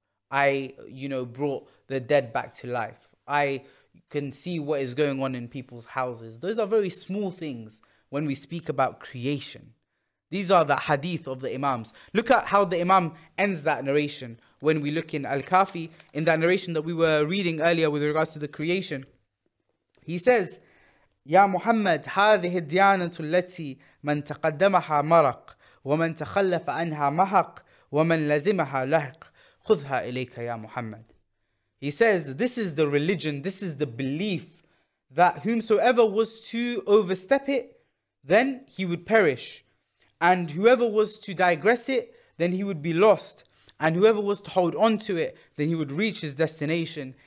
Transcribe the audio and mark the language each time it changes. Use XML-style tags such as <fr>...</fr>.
<en>I, you know, brought the dead back to life. I can see what is going on in people's houses. Those are very small things when we speak about creation. These are the hadith of the Imams. Look at how the Imam ends that narration when we look in Al-Kafi, in that narration that we were reading earlier with regards to the creation. He says,</en> <ar>Ya Muhammad, هذه الديانة التي من تقدمها مرق ومن تخلف عنها محق ومن لزمها لحق خذها إليك يا محمد.</ar> <en>He says, this is the religion, this is the belief that whomsoever was to overstep it, then he would perish. And whoever was to digress it, then he would be lost. And whoever was to hold on to it, then he would reach his destination.</en>